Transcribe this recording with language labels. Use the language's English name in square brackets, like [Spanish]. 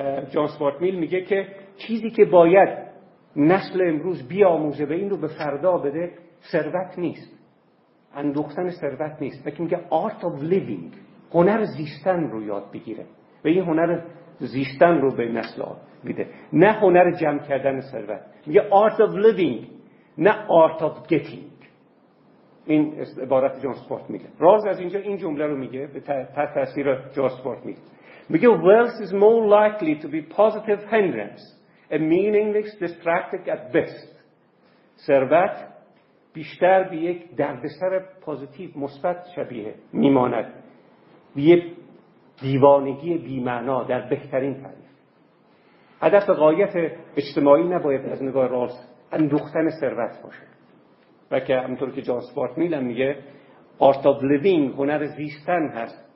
[Persian] جان استوارت میل میگه که چیزی که باید نسل امروز بیاموزه و این رو به فردا بده، ثروت نیست، اندوختن ثروت نیست، بلکه میگه [English] art of living, [Persian] هنر زیستن رو یاد بگیره و این هنر زیستن رو به نسل ها میده، نه هنر جمع کردن ثروت. میگه [English] art of living، نه art of getting. [Persian] این عبارت جان استوارت میل. راز از اینجا این جمله رو میگه به تحت تاثیر جان استوارت میل. میگه [English] wealth is more likely to be positive hindrance and meaningless distracting at best. [Persian] ثروت بیشتر به یک دردسر پوزیتیو مثبت شبیه میماند، به یک دیوانگی بی‌معنا در بهترین تعریف. هدف و غایت اجتماعی نباید از نگاه راست اندوختن ثروت باشه، بلکه همونطور که جان استوارت میل میگه [English] art of living, [Persian] هنر زیستن هست